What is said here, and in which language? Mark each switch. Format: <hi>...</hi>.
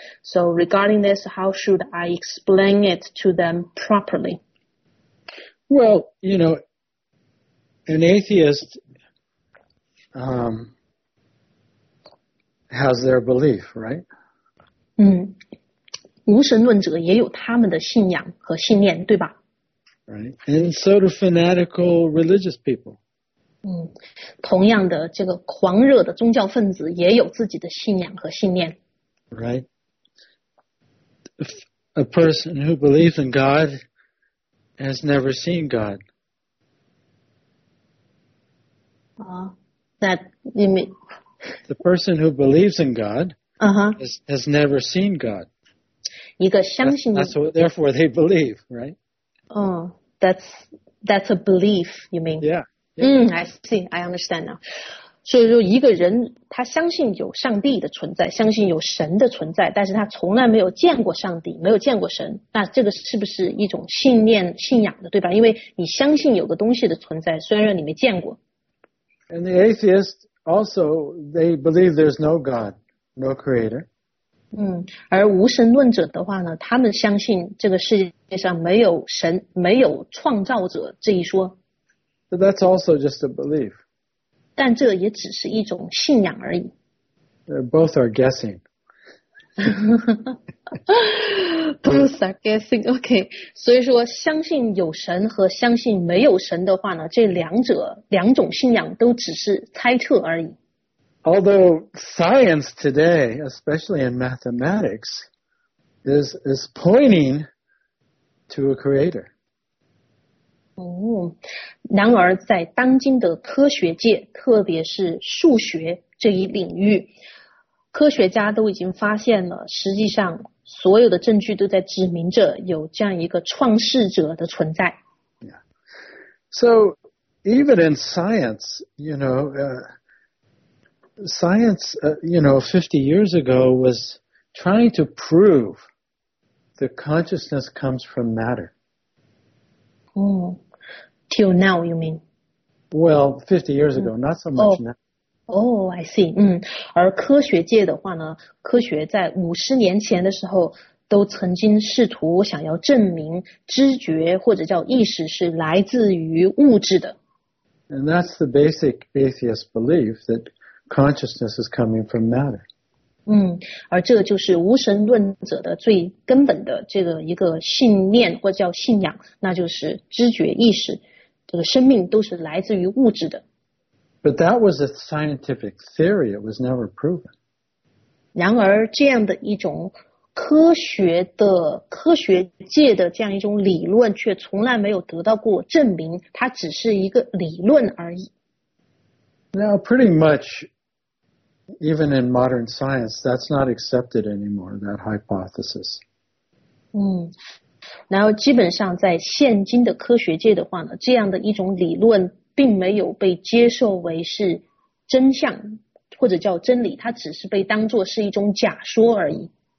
<en>So regarding this, how should I explain it to them properly? Well, you know, an atheist has their belief, right?</en> <zh>无神论者也有他们的信仰和信念，对吧？</zh> <en>Right. And so do fanatical religious people.</en> <zh>同样的，这个狂热的宗教分子也有自己的信仰和信念。</zh> <en>Right. A person who believes in God has never seen God. That you mean? The person who believes in God has never seen God.</en> <zh>一个相信。</zh> <en>That's what, therefore they believe, right? That's a belief, you mean? Yeah. I see, I understand now.</en> <zh>所以说一个人他相信有上帝的存在，相信有神的存在，但是他从来没有见过上帝，没有见过神，那这个是不是一种信念信仰的，对吧？因为你相信有个东西的存在，虽然说你没见过。</zh> <en>And the atheist also, they believe there's no God, no creator.</en> <zh>而无神论者的话呢，他们相信这个世界上没有神，没有创造者这一说。</zh> <en>But that's also just a belief.</en> <zh>但这也只是一种信仰而已。</zh> <en>Both are guessing. Both are guessing. OK.</en> <zh>所以说相信有神和相信没有神的话呢，这两者两种信仰都只是猜测而已。</zh> <en>Although science today, especially in mathematics, is pointing to a creator.</en> <zh>然而在当今的科学界，特别是数学这一领域，科学家都已经发现了，实际上所有的证据都在指明着有这样一个创世者的存在。</zh> <en>Yeah. So, even in science, you know, science, 50 years ago was trying to prove that consciousness comes from matter. Till now, you mean? Well, 50 years ago, not so much now. Oh, I see.</en> <zh>而科学界的话呢，科学在50年前的时候都曾经试图想要证明知觉或者叫意识是来自于物质的。</zh> <en>And that's the basic atheist belief that consciousness is coming from matter.</en> <zh>而这就是无神论者的最根本的这个一个信念或者叫信仰，那就是知觉意识。这个生命都是来自于物质的。</zh> <en>But that was a scientific theory. It was never proven.</en> <zh>然而这样的一种科学界的这样一种理论却从来没有得到过证明，它只是一个理论而已。</zh> <en>Now, pretty much, even in modern science, that's not accepted anymore, that hypothesis.</en> <zh>然后基本上在现今的科学界的话呢，这样的一种理论并没有被接受为是真相或者叫真理，它只是被当作是一种假说而已。</zh>